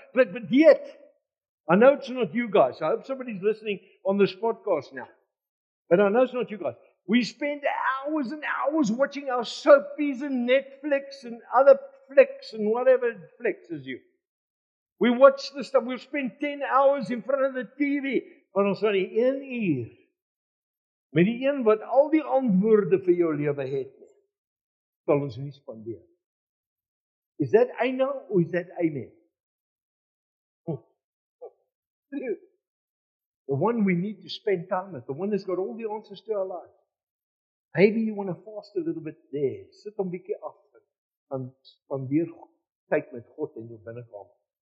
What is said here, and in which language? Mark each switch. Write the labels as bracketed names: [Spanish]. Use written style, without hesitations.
[English] But yet, I know it's not you guys. I hope somebody's listening on this podcast now. But I know it's not you guys. We spend hours and hours watching our soapies and Netflix and other flicks and whatever flexes you. We watch the stuff. We spend 10 hours in front of the TV. [Afrikaans] But ons het een uur. Met die een wat al die antwoorde vir jou lewe het. Sal ons nie spandeer. [English] Is that I know or is that amen? The one we need to spend time with, the one that's got all the answers to our life. Maybe you want to fast a little bit there. Sit on [Afrikaans] bietjie af [English] and [Afrikaans] spandeer tyd met God [English] in your binnenkamer.